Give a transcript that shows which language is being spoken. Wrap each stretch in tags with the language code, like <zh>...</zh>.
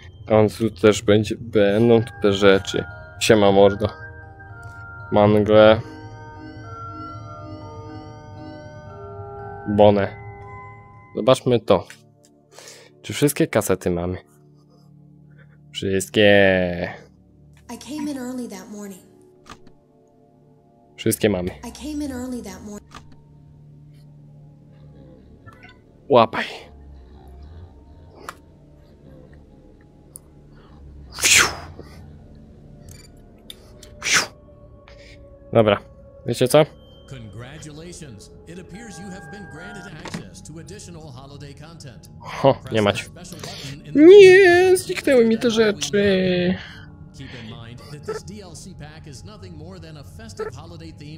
<pl>On tu też będzie, będą tu te rzeczy. Siema mordo. Mangle. Bone. Zobaczmy to. Czy wszystkie kasety mamy? Wszystkie.</pl> <en>I came in early that morning.</en> <pl>Wszystkie mamy.</pl> <en>I came in early that morning.</en> <pl>Łapaj. Fiu. Fiu. Dobra. Wiecie co? Congratulations.</pl> <en>It appears you have been granted access to additional holiday content.</en> <pl>Ho, nie mać. Nie, zniknęły mi te rzeczy.</pl> <en>Keep in mind that this DLC pack is nothing more than a festive holiday theme.</en>